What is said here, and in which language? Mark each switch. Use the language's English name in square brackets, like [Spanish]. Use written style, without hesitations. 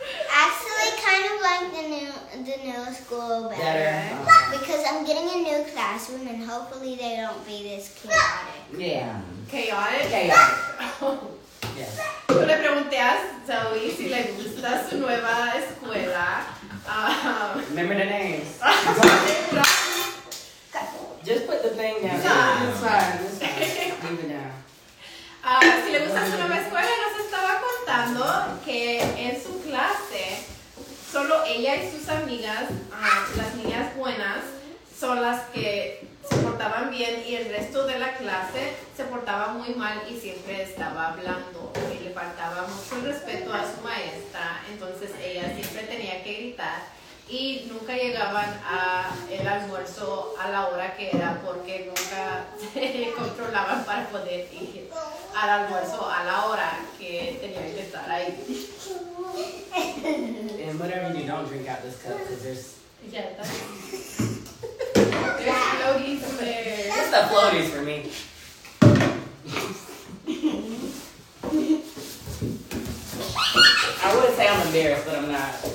[English] Actually, kind of like the new school better. Because I'm getting a new classroom and hopefully they don't be this chaotic. Yeah. Chaotic? Yeah. [Spanish] Yo le pregunté a Zoe si le gusta su nueva escuela. [English] Remember the names. Just put the thing down. It's fine. [Spanish] Si le gusta su nueva escuela, nos estaba contando que en su clase, solo ella y sus amigas, las niñas buenas, son las que se portaban bien y el resto de la clase se portaba muy mal y siempre estaba hablando. Y le faltaba mucho respeto a su maestra, entonces ella siempre tenía que gritar. y nunca llegaban a el almuerzo a la hora que era porque nunca se controlaban para poder ir al almuerzo a la hora que tenían que estar ahí. [English] And whatever you don't drink out this cup, because there's... There's floaties there. What's the floaties for me? I would say I'm embarrassed, but I'm not.